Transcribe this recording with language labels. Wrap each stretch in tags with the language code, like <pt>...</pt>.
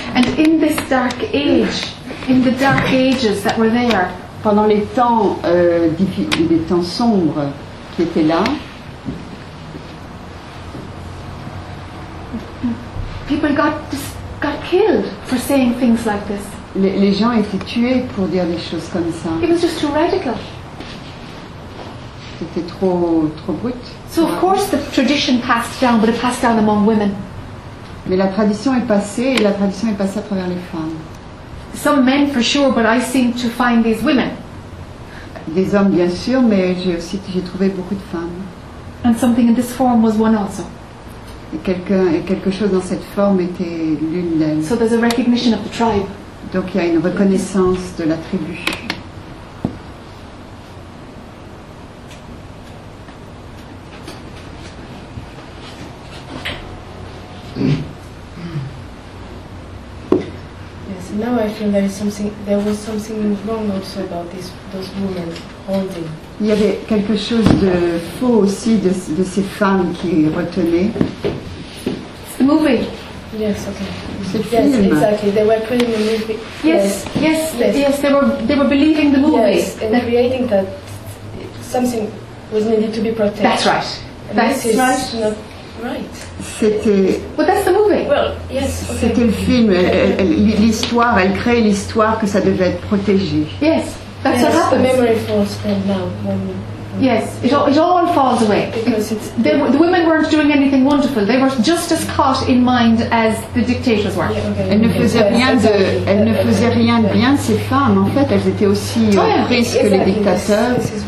<en>And in this dark age, in the dark ages that were there,</en> <fr>pendant les temps les temps sombres qui étaient là,</fr> <en>people got killed for saying things like this.</en> <fr>Les gens étaient tués pour dire des choses comme ça.</fr> <en>It was just too radical.</en> <fr>C'était trop brut.</fr> <en>So of course the tradition passed down, but it passed down among women.</en> <fr>Mais la tradition est passée et la tradition est passée à travers les femmes.</fr> <en>Some men for sure, but I seem to find these women.</en> <fr>Des hommes bien sûr, mais j'ai trouvé beaucoup de femmes.</fr> <en>And something in this form was one also.</en> <fr>Et quelque chose dans cette forme était l'une d'elles.</fr> <en>So there's a recognition of the tribe.</en> <fr>Donc il y a une reconnaissance de la tribu.</fr> <en>Yes, now I feel there was something wrong also about those women holding.</en> <fr>Il y avait quelque chose de faux aussi de ces femmes qui retenaient.</fr> <en>Moving. Yes, okay. Film. Yes, exactly. They were creating the movie. Yes, they were believing the movie. Yes, and that creating that something was needed to be protected. That's right. And that's this is right. Not right.</en> <fr>C'était.</fr> <en>But that's the movie. Well, yes. Okay.</en> <fr>C'était le film. L'histoire, elle crée l'histoire que ça devait être protégé.</fr> <en>Yes, that's yes, what happens. The memory falls down now. Yes, it all falls away. Because the women weren't doing anything wonderful. They were just as caught in mind as the dictators were. Yeah, okay.</en> <fr>Elles ne faisaient rien de bien, ces femmes. En fait, elles étaient aussi prises que les dictateurs.</fr>